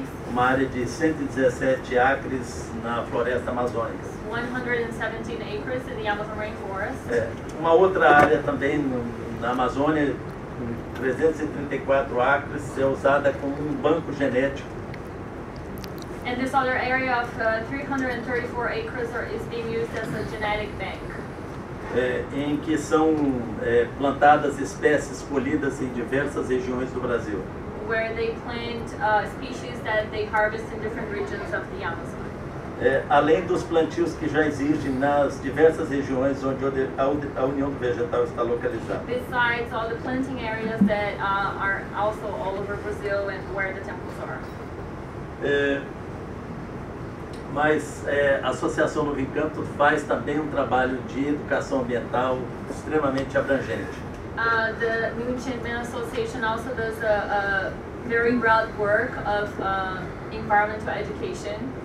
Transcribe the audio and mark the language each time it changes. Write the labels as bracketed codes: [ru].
[pt] Uma área de 117 acres na floresta amazônica. [en] 117 acres in the Amazon rainforest. É. [pt] Uma outra área também na Amazônia, 334 acres, é usada como um banco genético. [en] And this other area of 334 acres is being used as a genetic bank. [pt] É, em que são plantadas espécies colhidas em diversas regiões do Brasil. [en] Where they plant species that they harvest in different regions of the Amazon. [pt] É, além dos plantios que já existem nas diversas regiões onde a União do Vegetal está localizada. [en] Besides all the planting areas that are also all over Brazil and where the temples are. [pt] É, mas a Associação Novo Encanto faz também um trabalho de educação ambiental extremamente abrangente. [en] The New Enchantment Association also does a very broad work of environmental education.